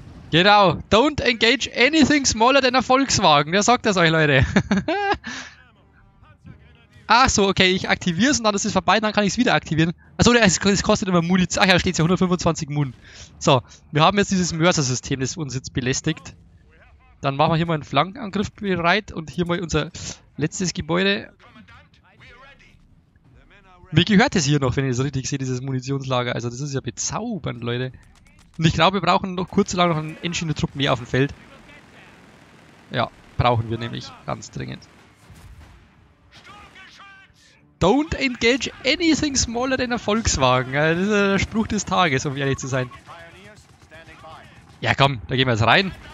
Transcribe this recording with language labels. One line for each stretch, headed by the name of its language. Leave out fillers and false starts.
English: Genau, don't engage anything smaller than a Volkswagen.
German: Wer sagt das euch, Leute? Ach so, okay, ich aktiviere es und dann ist es vorbei, dann kann ich es wieder aktivieren. Achso, es kostet immer Munition. Ach ja, steht es ja, 125 Mun. So, wir haben jetzt dieses Mörser-System, das uns jetzt belästigt. Dann machen wir hier mal einen Flankenangriff bereit und hier mal unser letztes Gebäude. Mir gehört es hier noch, wenn ich es richtig sehe, dieses Munitionslager. Also das ist ja bezaubernd, Leute. Und ich glaube, wir brauchen noch kurz lang noch einen Engineer-Trupp mehr auf dem Feld. Ja, brauchen wir nämlich ganz dringend.
English: Don't engage anything smaller than a Volkswagen.
German: Das ist der Spruch des Tages, um ehrlich zu sein. Ja komm, da gehen wir jetzt rein.